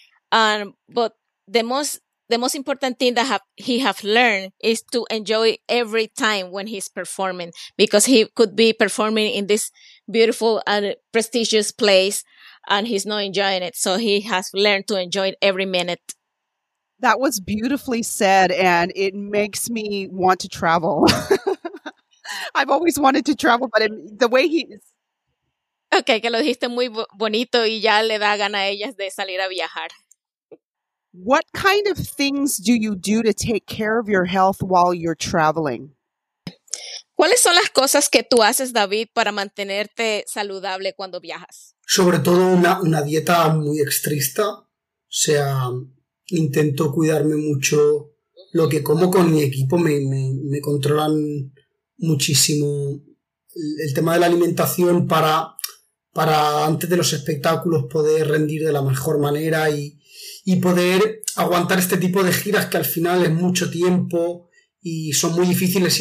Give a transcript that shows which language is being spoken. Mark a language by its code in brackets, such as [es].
[en] But the most important thing that he have learned is to enjoy every time when he's performing, because he could be performing in this beautiful and prestigious place and he's not enjoying it. So he has learned to enjoy it every minute. That was beautifully said, and it makes me want to travel. I've always wanted to travel, but the way he is. [es] Okay, que lo dijiste muy bonito y ya le da gana a ellas de salir a viajar. [en] What kind of things do you do to take care of your health while you're traveling? [es] ¿Cuáles son las cosas que tú haces, David, para mantenerte saludable cuando viajas? Sobre todo una dieta muy estricta. O sea, intento cuidarme mucho lo que como. Con mi equipo me controlan muchísimo el tema de la alimentación para antes de los espectáculos poder rendir de la mejor manera y poder aguantar este tipo de giras, que al final es mucho tiempo y son muy difíciles.